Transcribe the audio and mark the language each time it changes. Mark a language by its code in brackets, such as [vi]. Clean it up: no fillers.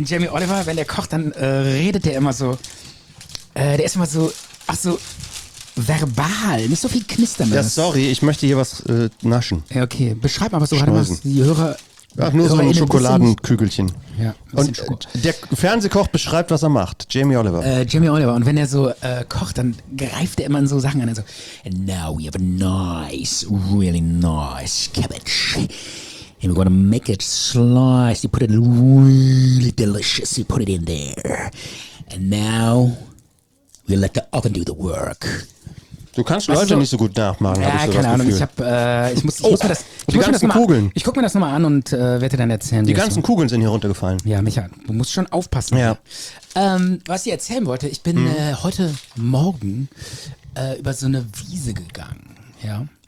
[de] Jamie Oliver, wenn der kocht, dann redet der immer so, der ist immer so, ach so, verbal, nicht so viel knistern. Ja, sorry, ich möchte hier was naschen. Ja, okay, beschreib mal, was du gerade machst. Die Hörer. Ja, nur Hörer so ein Schokoladenkügelchen. Ja, und der Fernsehkoch beschreibt, was er macht. Jamie Oliver. Jamie Oliver. Und wenn er so kocht, dann greift er immer in so Sachen an. Und so, [en] and now we have a nice, really nice cabbage. And we're gonna make it sliced. You put it really delicious. You put it in there. And now. We let the oven do the work. [de] Du kannst Leute also, nicht so gut nachmachen, habe ich so keine das Ahnung. Gefühl. Ich muss mir das mal, ich guck mir das nochmal an und werde dir dann erzählen. Die ganzen Kugeln sind hier runtergefallen. Ja, Micha, du musst schon aufpassen. Ja. Was ich erzählen wollte, ich bin heute Morgen über so eine Wiese gegangen. Ja.